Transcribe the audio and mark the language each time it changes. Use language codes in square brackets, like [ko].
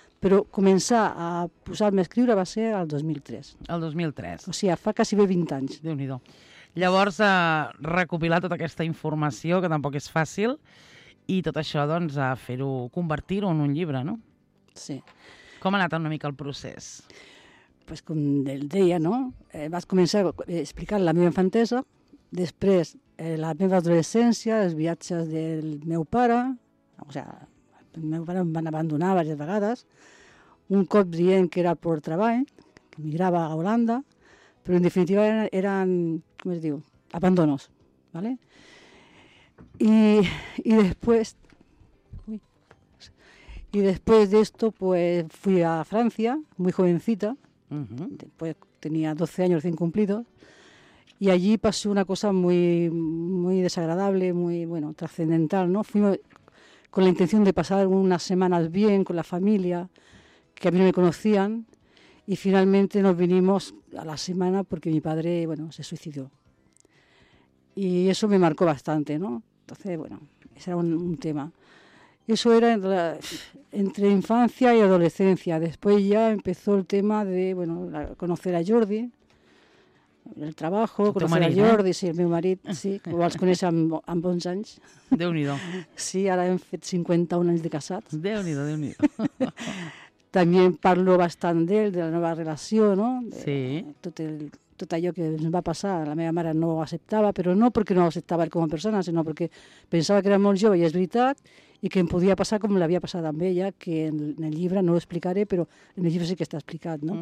[ca] Però començar a posar-me a escriure va ser el 2003. El 2003. O sigui, fa gairebé 20 anys. Déu-n'hi-do. Llavors, recopilar tota aquesta informació, que tampoc és fàcil, i tot això, doncs, a fer-ho, convertir-ho en un llibre, no? Sí. Com ha anat una mica el procés? Doncs pues com el deia, no? Vas començar explicant la meva infantesa, després la meva adolescència, els viatges del meu pare, o sigui, el meu pare em van abandonar diverses vegades, un cop dient que era per treball, que migrava a Holanda, però en definitiva eren com es diu, abandonos, [es] ¿vale? [ca] I després... [es] Y después de esto, pues fui a Francia, muy jovencita, después tenía 12 años recién cumplidos, y allí pasó una cosa muy, muy desagradable, muy, bueno, trascendental, ¿no? Fui con la intención de pasar unas semanas bien con la familia, que a mí no me conocían, y finalmente nos vinimos a la semana porque mi padre, bueno, se suicidó. Y eso me marcó bastante, ¿no? Entonces, bueno, ese era un tema. Eso era entre infancia y adolescencia. Después ya empezó el tema de, bueno, conocer a Jordi, el trabajo, [ca] tu [es] conocer [ca] marit, a Jordi, ¿no? Sí, el meu marit, sí, que vols conèixer amb bons anys. Déu-n'hi-do. Sí, ara hem fet 51 anys de casats. Déu-n'hi-do, Déu-n'hi-do. També parlo bastant d'ell, de la nova relació, no? Sí. Tot el, tot allò que ens va passar. La meva mare no ho acceptava, però no perquè no ho acceptava com a persona, sinó perquè pensava que era molt jove i és veritat, i que em podia passar com l'havia passat amb ella, que en el llibre no ho explicaré, però en el llibre sí que està explicat, no? Mm-hmm.